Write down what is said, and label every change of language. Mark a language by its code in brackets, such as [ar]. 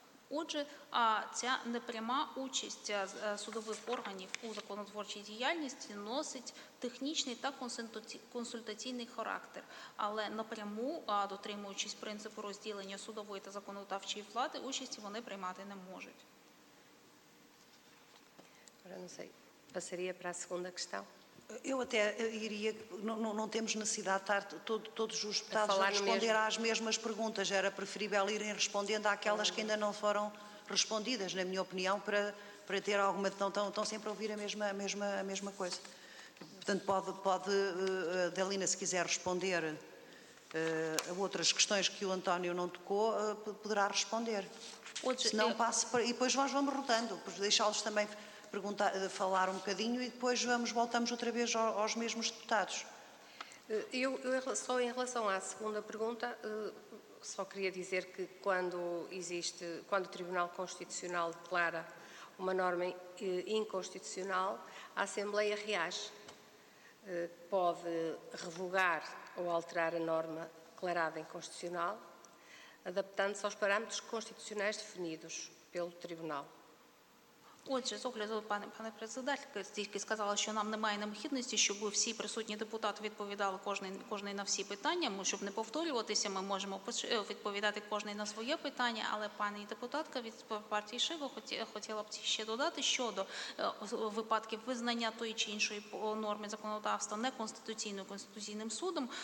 [uk] Отже, ця непряма участь судових органів у законотворчій діяльності носить технічний та консультаційний характер. Але напряму, дотримуючись принципу розділення судової та законодавчої влади, участі вони приймати не можуть. [pt] Passaria para a segunda questão. Eu até iria, não temos necessidade de estar todos os deputados a responder às mesmas perguntas, era preferível irem respondendo àquelas que ainda não foram respondidas, na minha opinião, para ter alguma, estão sempre a ouvir a mesma coisa. Portanto, pode Dalina, se quiser responder a outras questões que o António não tocou, poderá responder. Se não, passe para, e depois nós vamos rotando, deixá-los também falar um bocadinho e depois voltamos outra vez aos mesmos deputados. Eu só em relação à segunda pergunta, só queria dizer que quando o Tribunal Constitucional declara uma norma inconstitucional, a Assembleia reage, pode revogar ou alterar a norma declarada inconstitucional, adaptando-se aos parâmetros constitucionais definidos pelo Tribunal. [uk] Отже, з огляду, пане президентке, тільки сказала, що нам немає необхідності, щоб всі присутні депутати відповідали кожний на всі питання. Ми, щоб не повторюватися, ми можемо відповідати кожний на своє питання, але пані депутатка від партії Шиво хотіла б ще додати щодо випадків визнання тої чи іншої норми законодавства неконституційною Конституційним судом.